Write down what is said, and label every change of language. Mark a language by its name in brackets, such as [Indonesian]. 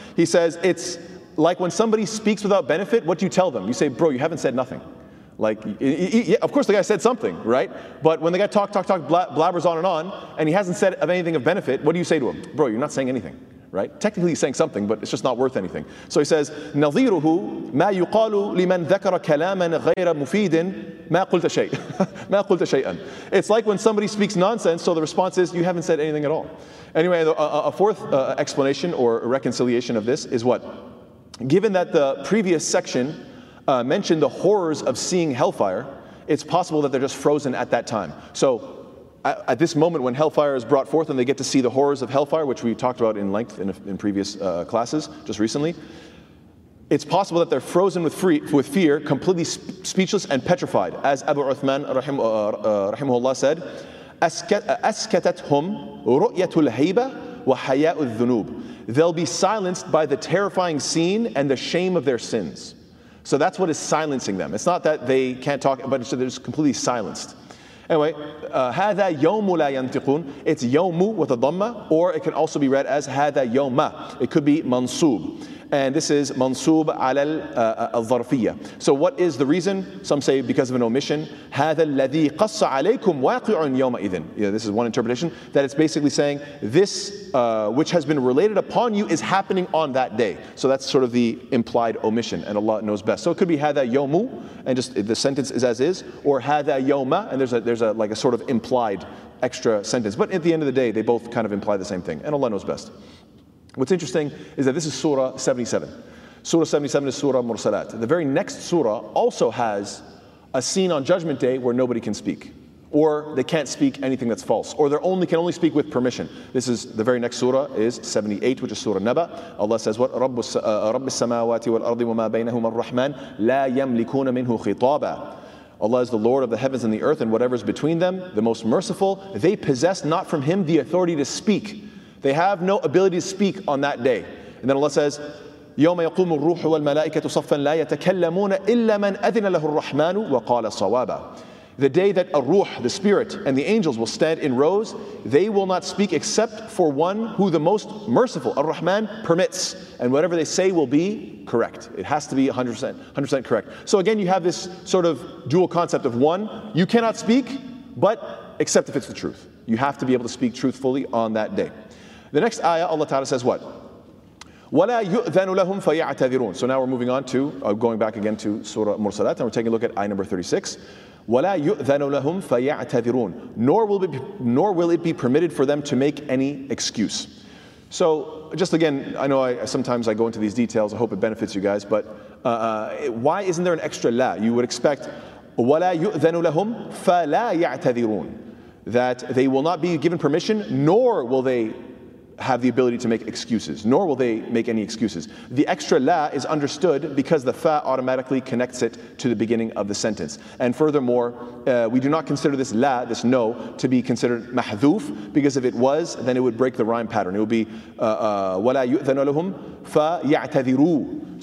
[English] He says, it's like when somebody speaks without benefit, what do you tell them? You say, bro, you haven't said nothing. Like, yeah, of course the guy said something, right? But when the guy talk, blabbers on and on, and he hasn't said of anything of benefit, what do you say to him? Bro, you're not saying anything. Right? Technically, he's saying something, but it's just not worth anything. So he says, [Arabic] نَظِيرُهُ مَا يُقَالُ لِمَنْ ذَكَرَ كَلَامًا غَيْرَ مُفِيدٍ مَا قُلْتَ شَيْءٍ مَا قُلْتَ شَيْءًا. [English] It's like when somebody speaks nonsense, so the response is, you haven't said anything at all. Anyway, a fourth explanation or reconciliation of this is what? Given that the previous section mentioned the horrors of seeing hellfire, it's possible that they're just frozen at that time. So, at this moment when hellfire is brought forth and they get to see the horrors of hellfire, which we talked about in length in previous classes just recently, it's possible that they're frozen with fear, completely speechless and petrified. As Abu Uthman rahimahullah said, [Arabic] أَسْكَتَتْهُمْ رُؤْيَةُ الْهَيْبَةِ وَحَيَاءُ الذُّنُوبِ. [English] They'll be silenced by the terrifying scene and the shame of their sins. So that's what is silencing them. It's not that they can't talk, but it's that they're just completely silenced. Anyway, [Arabic] هَذَا يَوْمُ لَا يَنْتِقُونَ. [English] It's يَوْمُ with a dhamma, or it can also be read as هَذَا يَوْمَ. It could be mansub. And this is mansub عَلَى الظَّرْفِيَّةِ. So what is the reason? Some say because of an omission. [Arabic] هَذَا الَّذِي قَصَّ عَلَيْكُمْ وَاقِعٌ يَوْمَئِذٍ. [English] Yeah, this is one interpretation, that it's basically saying this which has been related upon you is happening on that day. So that's sort of the implied omission, and Allah knows best. So it could be هَذَا يَوْمُ, and just the sentence is as is, or هَذَا يَوْمَ, and there's a like a sort of implied extra sentence. But at the end of the day, they both kind of imply the same thing, and Allah knows best. What's interesting is that this is Surah 77. Surah 77 is Surah Mursalat. The very next Surah also has a scene on Judgment Day where nobody can speak, or they can't speak anything that's false, or they only can only speak with permission. This is the very next Surah is 78, which is Surah Naba. Allah says, "What [Arabic] رب السماوات والأرض وما بينهما الرحمن لا يملكون منه خطابا." [English] Allah is the Lord of the heavens and the earth, and whatever's between them, the most merciful. They possess not from Him the authority to speak. They have no ability to speak on that day. And then Allah says, [Arabic] يَوْمَ يَقُومُ الرُّوحُ وَالْمَلَائِكَةُ صَفًّا لَا يَتَكَلَّمُونَ إِلَّا مَنْ أَذِنَ لَهُ الرَّحْمَنُ وَقَالَ صَوَابًا. [English] The day that الروح, the spirit, and the angels will stand in rows, they will not speak except for one who the most merciful, الرحمن, permits. And whatever they say will be correct. It has to be 100% correct. So again, you have this sort of dual concept of one, you cannot speak, but except if it's the truth. You have to be able to speak truthfully on that day. The next ayah, Allah Ta'ala says what? [Arabic] وَلَا يُؤْذَنُ لَهُمْ فَيَعْتَذِرُونَ. [English] So now we're moving on to, going back again to Surah Mursalat, and we're taking a look at ayah number 36. [Arabic] وَلَا يُؤْذَنُ لَهُمْ فَيَعْتَذِرُونَ. [English] Nor will it be permitted for them to make any excuse. So just again, I know I sometimes go into these details, I hope it benefits you guys, but why isn't there an extra la? You would expect, [Arabic] وَلَا يُؤْذَنُ لَهُمْ فَلَا يَعْتَذِرُونَ. [English] That they will not be given permission, nor will they have the ability to make excuses, nor will they make any excuses. The extra la is understood because the fa automatically connects it to the beginning of the sentence. And furthermore, we do not consider this la, this no, to be considered mahdhuf, because if it was, then it would break the rhyme pattern. It would be [Arabic] وَلَا يُؤْذَنُ لَهُمْ فَيَعْتَذِرُوا.